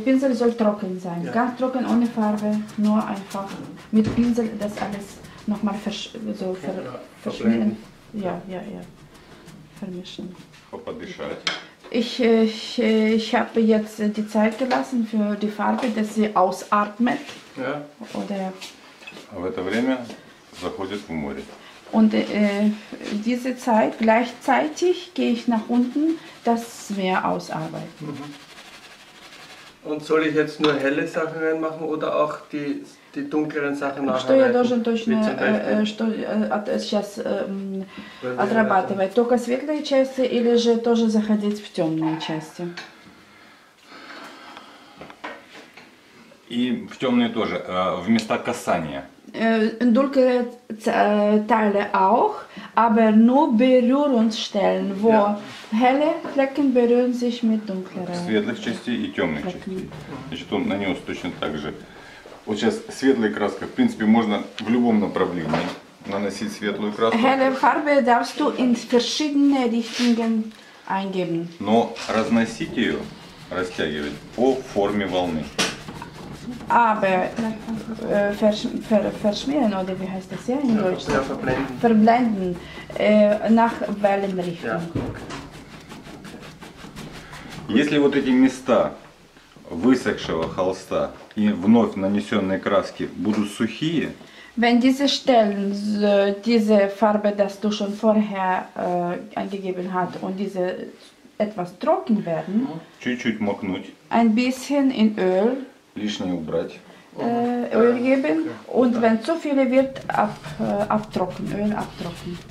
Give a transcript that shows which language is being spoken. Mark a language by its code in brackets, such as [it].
[de] Пинзель soll trocken sein. Ja. Ganz trocken, ohne Farbe, nur einfach mit Pinsel das alles nochmal verschmieren. Ja. Vermischen. Ich habe jetzt die Zeit gelassen für die Farbe, dass sie ausatmet. Ja. Oder... Aber in der [ru] время заходит в море. [de] Und diese Zeit, gleichzeitig gehe ich nach unten, das Meer ausarbeiten. Und soll ich jetzt nur helle Sachen reinmachen oder auch die dunkleren Sachen nachher reinmachen? Ich muss [ru] сейчас отрабатывать только светлые части или же тоже заходить в темные части. И в темные тоже, в места касания. [de] Dunkle Teile auch, aber nur Berührungsstellen, wo helle Flecken berühren sich mit dunkleren. [ru] Светлых частей и темных частей. Значит, он нанес точно так же. Вот сейчас светлой краской, в принципе, можно в любом направлении наносить светлую краску. [de] Helle Farbe darfst du in verschiedene Richtungen eingeben. [ru] Но разносить ее, растягивать по форме волны. [de] Aber verschmieren oder wie heißt das in Deutsch? Ja, verblenden. Verblenden nach Wellenrichtung. Ja. [ru] Если вот эти места высохшего холста и вновь нанесенные краски будут сухие, [de] wenn diese Stellen diese Farbe, das du schon vorher angegeben hast, und diese etwas trocken werden, [ru] чуть-чуть макнуть, [de] ein bisschen in Öl. [ru] Лишнее убрать. [de] Öl geben und wenn zu viele wird, abtrocknen, Öl abtrocknen.